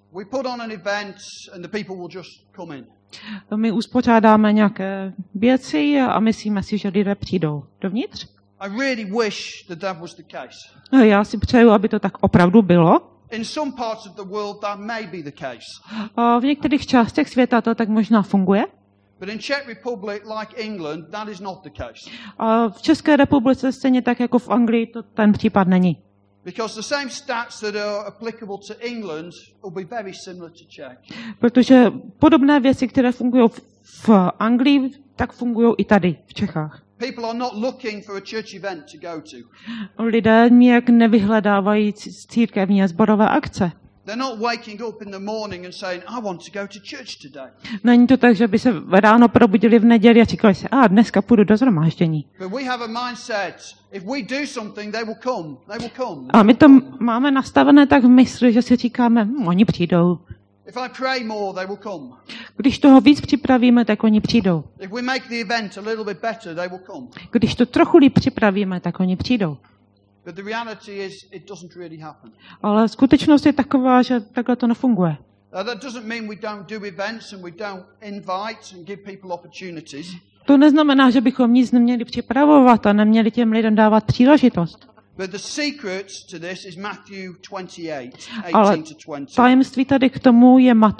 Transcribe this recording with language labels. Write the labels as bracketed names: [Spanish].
[English] We put on an event and the people will just come in. [Czech] My uspořádáme nějaké věci a myslíme si, že lidé přijdou dovnitř. [English] I really wish that that was the case. [Czech] Já si přeju, aby to tak opravdu bylo. [English] In some parts of the world that may be the case. [Czech] V některých částech světa to tak možná funguje. [English] But in Czech Republic, like England, that is not the case. [Czech] V České republice stejně tak jako v Anglii to ten případ není. [English] Because the same stats that are applicable to England will be very similar to Czech. [Czech] Protože podobné věci, které fungují v Anglii, tak fungují i tady v Čechách. [English] People are not looking for a church event to go to. [Czech] Lidé nijak nevyhledávají církevní a sborové akce. [English] They're not waking up in the morning and saying, "I want to go to church today." [Czech] Není to tak, že by se ráno probudili v neděli a říkali si, dneska půjdu do zhromáždění. [English] But we have a mindset: if we do something, they will come. They will come. [Czech] A my to máme nastavené tak v mysli, že si říkáme, oni přijdou. [English] If I pray more, they will come. [Czech] Když toho víc připravíme, tak oni přijdou. [English] If we make the event a little bit better, they will come. [Czech] Když to trochu líp připravíme, tak oni přijdou. [English] But the reality is, it doesn't really happen. [Czech] Ale skutečnost je taková, že takhle to nefunguje. [English] That doesn't mean we don't do events and we don't invite and give people opportunities. [Czech] To neznamená, že bychom nic neměli připravovat a neměli těm lidem dávat příležitost. [English] But the secret to this is Matthew 28:18-20. [Czech] Tajemství tady k tomu je